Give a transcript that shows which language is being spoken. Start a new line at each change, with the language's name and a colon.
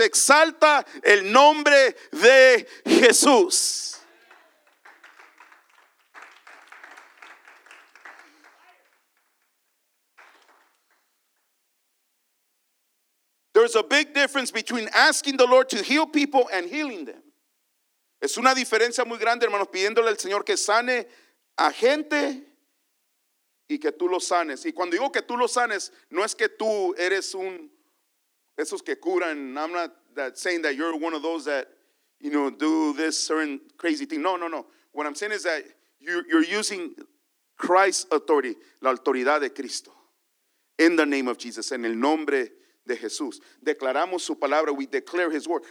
Spanish: Exalta el nombre de Jesús.
English: There's a big difference between asking the Lord to heal people and healing them.
Spanish: Es una diferencia muy grande, hermanos, pidiéndole al Señor que sane a gente y que tú lo sanes. Y cuando digo que tú lo sanes, no es que tú eres un, esos que curan.
English: I'm not that saying that you're one of those that, you know, do this certain crazy thing. No, no, no. What I'm saying is that you're using Christ's authority,
Spanish: la autoridad de Cristo.
English: In the name of Jesus,
Spanish: en el nombre de Jesús. Declaramos su palabra.
English: We declare his word.